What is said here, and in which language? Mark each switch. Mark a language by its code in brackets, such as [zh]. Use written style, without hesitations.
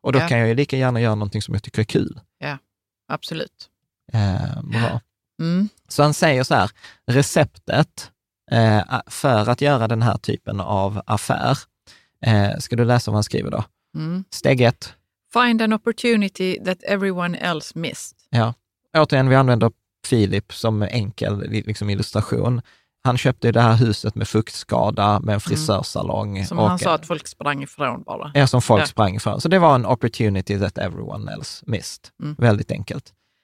[sv] Och då kan jag ju lika gärna göra någonting som jag tycker är kul. Ja, absolut. Bra. Mm. Så han säger så här, receptet för att göra den här typen av affär. Ska du läsa vad han skriver då? Mm. Steg 1. [en] Find an opportunity that everyone else missed. [sv] Ja, återigen, vi använder Filip som enkel liksom illustration. Han köpte det här huset med fuktskada, med en frisörsalong. Som han sa att folk sprang ifrån bara. Ja, som folk sprang ifrån. Så det var en [en] opportunity that everyone else missed. Mm. [sv] Väldigt enkelt.